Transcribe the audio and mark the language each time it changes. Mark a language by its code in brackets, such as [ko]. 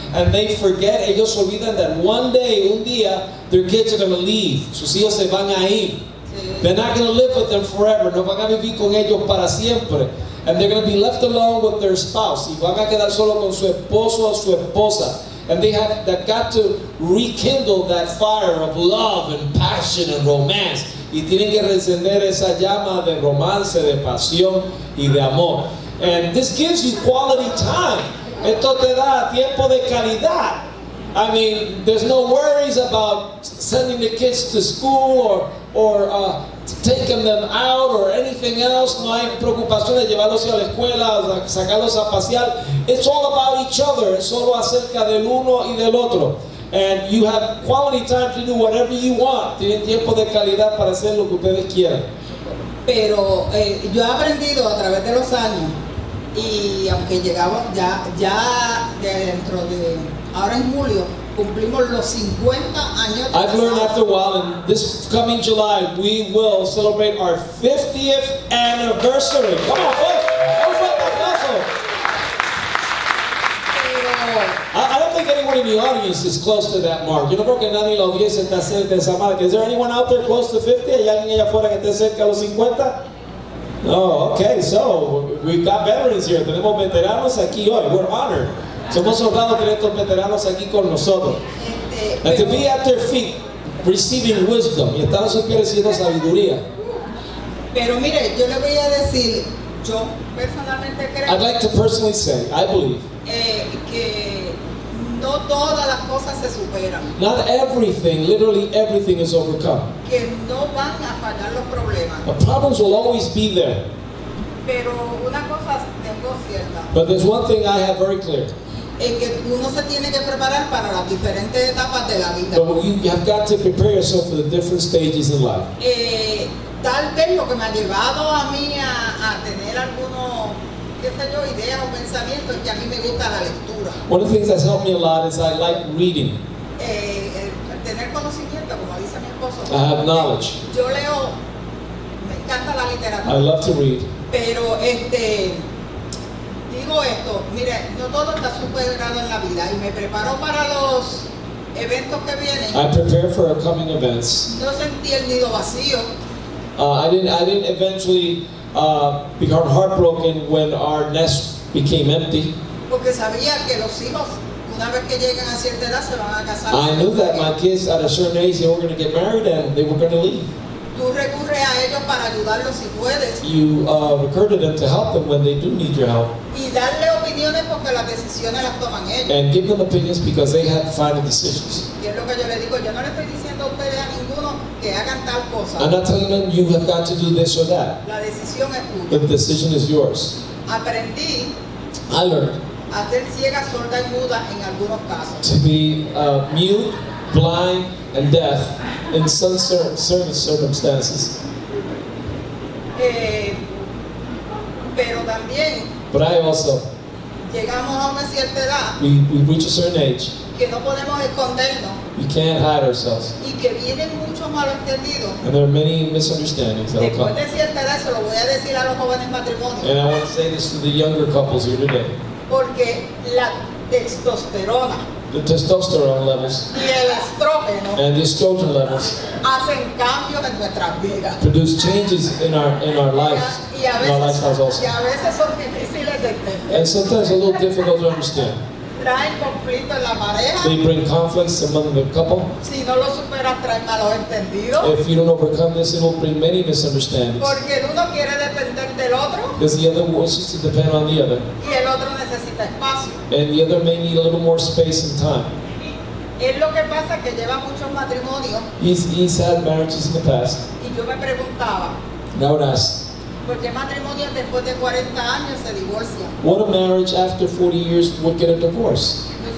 [en] And they forget, [es] ellos olvidan [en] that one day, [es] un día, [en] their kids are going to leave. [es] Sus hijos se van a ir. [en] They're not going to live with them forever. [es] No van a vivir con ellos para siempre. [en] And they're going to be left alone with their spouse. [es] Y van a quedar solo con su esposo o su esposa. [en] And they've got to rekindle that fire of love and passion and romance. [es] Y tienen que encender esa llama de romance, de pasión y de amor. [en] And this gives you quality time. [es] Esto te da tiempo de calidad. [en] I mean, there's no worries about sending the kids to school or taking them out or anything else. [es] No hay preocupación de llevarlos a la escuela, sacarlos a pasear. [en] It's all about each other. [es] Es solo acerca del uno y del otro. [en] And you have quality time to do whatever you want. [es] Tienen tiempo de calidad para hacer lo que ustedes quieran. Pero yo he aprendido a través de los años. Y aunque llegamos ya dentro de ahora en julio cumplimos los 50 años. [en] I've learned after a while, and this coming July we will celebrate our 50th anniversary. Come on, folks, [es] un aplauso. [en] I don't think anyone in the audience is close to that mark. [es] Yo no creo que nadie en la audiencia está cerca de esa marca. [en] Is there anyone out there close to 50? [es] ¿Hay alguien allá afuera que esté cerca de los 50? [en] Oh, okay, so we've got veterans here. [es] Tenemos veteranos aquí hoy. [en] We're honored. [es] Somos honrados tener estos veteranos aquí con nosotros. [en] And to be at their feet, receiving wisdom. [es] Y estar a sus pies recibiendo sabiduría. Pero mire, yo le voy a decir, yo personalmente creo. [en] I'd like to personally say, I believe. [es] Que no todas las cosas se superan. [en] Not everything, literally everything is overcome. [es] Que no van a fallar los problemas. [en] The problems will always be there. [es] Pero una cosa tengo cierta. [en] But there's one thing I have very clear. [es] Que uno se tiene que preparar para las diferentes etapas de la vida. [en] But you have got to prepare yourself for the different stages in life. [es] Tal vez lo que me ha llevado a mí a tener algunos, qué sé yo, ideas o pensamientos, que a mí me gusta la lectura. [en] One of the things that's helped me a lot is I like reading. [es] Tener conocimiento, como dice mi esposo. [en] I have knowledge. [es] Yo leo, me encanta la literatura. [en] I love to read. [es] Pero digo esto, mire, no todo está superado en la vida y me preparo para los eventos que vienen. [en] I prepare for upcoming events. [es] No sentí el nido vacío. [en] I didn't eventually become heartbroken when our nest became empty. [es] Porque sabía que los hijos, una vez que llegan a cierta edad, se van a casar. [en] I knew that my kids at a certain age they were going to get married and they were going to leave. [es] Tú recurres a ellos para ayudarlos si puedes. [en] You recur to them to help them when they do need your help. [es] Y darle opiniones porque las decisiones las toman ellos. [en] And give them opinions because they have final decisions. [es] Y es lo que yo le digo, yo no le estoy diciendo a ustedes a ninguno. [en] I'm not telling them you have got to do this or that. [es] La decisión es tuya. [en] But the decision is yours. [es] Aprendí. [en] I learned. [es] A ser ciega, sorda, y muda en algunos casos. [en] To be mute, blind, and deaf in some certain circumstances. [es] Pero también. [en] But I also. [es] Llegamos a una cierta edad. [en] We reach a certain age. [es] Que no podemos escondernos. [en] We can't hide ourselves. [es] Y que vienen muchos malentendidos. [en] And there are many misunderstandings that will come. [es] Después de cierta edad, se lo voy a decir a los jóvenes matrimonios. [en] And I want to say this to the younger couples here today. [es] Porque la testosterona. [en] The testosterone levels. [es] Y el estrógeno. [en] And the estrogen levels. [es] Hacen cambios en nuestras vidas. [en] Produce changes in our lives. [es] Y a veces son difíciles de entender. [en] And sometimes a little difficult to understand. They bring conflicts among the couple. [es] Si no lo superas, trae malos entendidos. [en] If you don't overcome this, it will bring many misunderstandings. [es] Porque uno quiere depender del otro. [en] Because the other wants to depend on the other. [es] Y el otro necesita espacio. [en] And the other may need a little more space and time. [es] Es lo que pasa que lleva muchos matrimonios. [en] He's had marriages in the past. [es] Y yo me preguntaba. [en] Now it asks. What a marriage after 40 years would get a divorce.